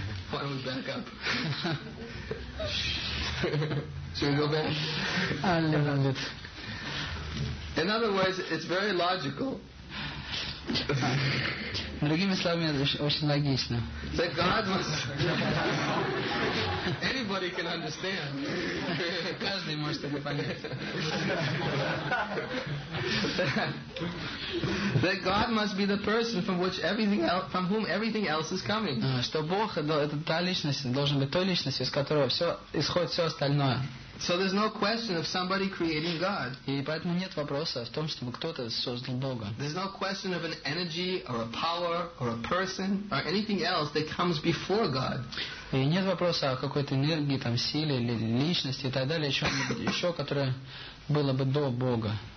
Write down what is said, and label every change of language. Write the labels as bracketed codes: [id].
[en] Why don't we back up? Should we go back? A little bit. In other words, it's very logical. [ru] Другими словами, очень логично. [en] That God was... Anybody can understand. [ru] Каждый может это понять. [en] That God must be the person from which everything else, from whom everything else is coming. [ru] Что Бог это та личность, должен быть той личностью, из которой все исходит все остальное. [en] So there's no question of somebody creating God. [ru] И поэтому нет вопроса в том, чтобы кто-то создал Бога. [en] There's no question of an energy or a power or a person or anything else that comes before God. [ru] И нет вопроса о какой-то энергии, там, силе или личности и так далее, еще которое было бы до Бога.